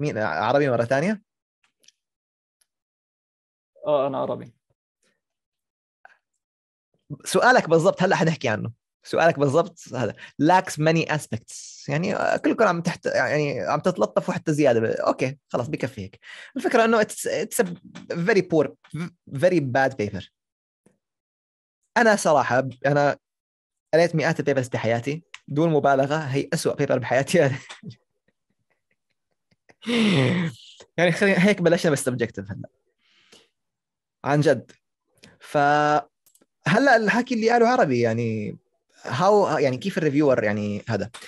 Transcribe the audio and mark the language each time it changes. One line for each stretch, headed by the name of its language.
Arabic: مين عربي مرة ثانية؟ أنا عربي. سؤالك بالضبط هلا حنحكي عنه. سؤالك بالضبط هذا
English: lacks many aspects،
Arabic: يعني كلكم عم تحت يعني عم تتلطفوا حتى زيادة. أوكي خلاص بكفي هيك. الفكرة إنه
English: it's a very poor very bad paper.
Arabic: أنا صراحة أنا قريت مئات البيبرز في حياتي دون مبالغة، هي أسوأ بيبر بحياتي أنا. يعني خلينا هيك بلشنا بالسبجكتيف هلا عن جد. فهلا الحكي اللي قاله عربي يعني هاو يعني كيف الريفيور يعني هذا.